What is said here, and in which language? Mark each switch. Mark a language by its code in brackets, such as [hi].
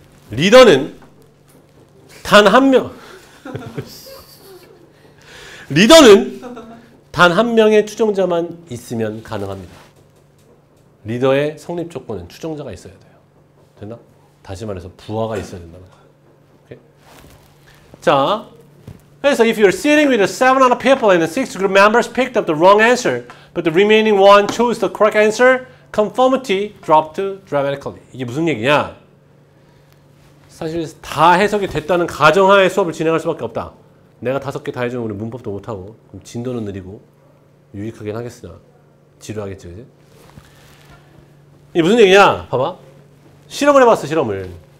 [ko] 리더는 단 한 명. 리더는 단 한 명의 추종자만 있으면 가능합니다. 리더의 성립 조건은 추종자가 있어야 돼요. 됐나? 다시 말해서 부하가 있어야 된다는 거야. 자, 그래서 [en] if you're sitting with seven other people and six group members picked up the wrong answer, but the remaining one chose the correct answer, conformity dropped dramatically. [ko] 이게 무슨 얘기냐? 사실 다 해석이 됐다는 가정하에 수업을 진행할 수밖에 없다. 내가 다섯 개 다 해주면 우리 문법도 못하고 그럼 진도는 느리고 유익하긴 하겠으나 지루하겠죠, 이제. 이게 무슨 얘기냐? 봐봐. 실험을 해봤어, 실험을.